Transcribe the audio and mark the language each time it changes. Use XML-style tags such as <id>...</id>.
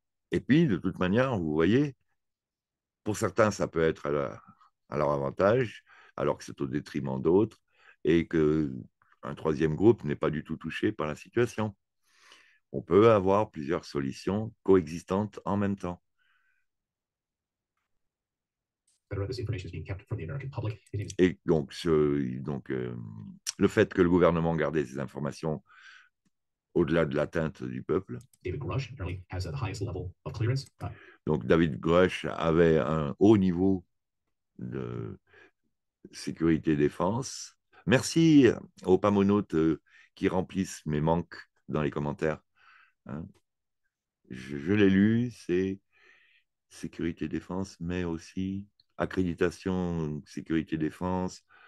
<fr>Et puis, de toute manière, vous voyez, pour certains, ça peut être à leur avantage, alors que c'est au détriment d'autres. Et que un troisième groupe n'est pas du tout touché par la situation. On peut avoir plusieurs solutions coexistantes en même temps.</fr> <en>This information is being kept from the American public.</en> <fr>Et donc, le fait que le gouvernement gardait ces informations au-delà de l'atteinte du peuple.</fr> <en>David Grush apparently has the highest level of clearance.</en> <fr>Donc, David Grush avait un haut niveau de sécurité et défense. Merci aux pamonautes qui remplissent mes manques dans les commentaires. Hein? Je l'ai lu, c'est sécurité défense, mais aussi accréditation sécurité défense.</fr>